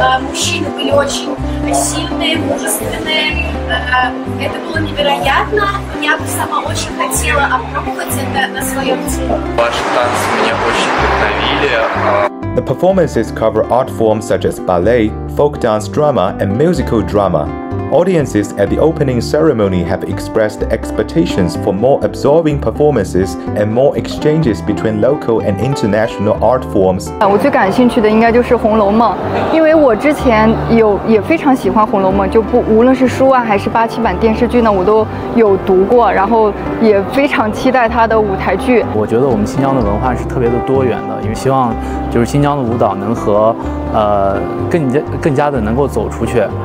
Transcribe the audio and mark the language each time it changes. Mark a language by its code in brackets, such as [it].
[ru] Мужчины были очень сильные, мужественные. Это было невероятно. Я бы сама очень хотела опробовать это на своем теле. Ваши танцы меня очень вдохновили. [en] The performances cover art forms such as ballet, folk dance drama, and musical drama. Audiences at the opening ceremony have expressed expectations for more absorbing performances and more exchanges between local and international art forms. [zh] 我最感兴趣的应该就是《红楼梦》，因为我之前也非常喜欢《红楼梦》，就无论是书啊还是八七版电视剧呢，我都有读过，然后也非常期待它的舞台剧。我觉得我们新疆的文化是特别的多元的，因为希望就是新疆的舞蹈能和更加的能够走出去。